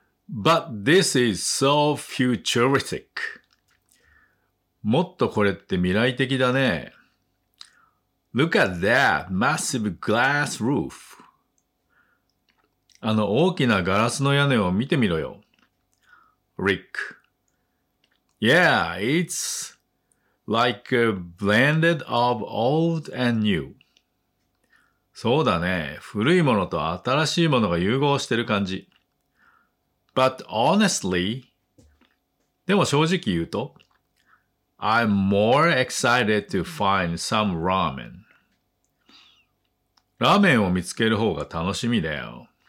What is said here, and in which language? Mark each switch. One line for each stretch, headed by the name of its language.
English: But this is so futuristic.
Japanese: もっとこれって未来的だね。
English: Look at that massive glass roof.
Japanese: あの大きなガラスの屋根を見てみろよ。
English: Rick. Yeah, it's like a blended of old and new.
Japanese: そうだね。古いものと新しいものが融合してる感じ。
English: But honestly,
Japanese: でも正直言うと、
English: I'm more excited to find some ramen.
Japanese: ラーメンを見つける方が楽しみだよ。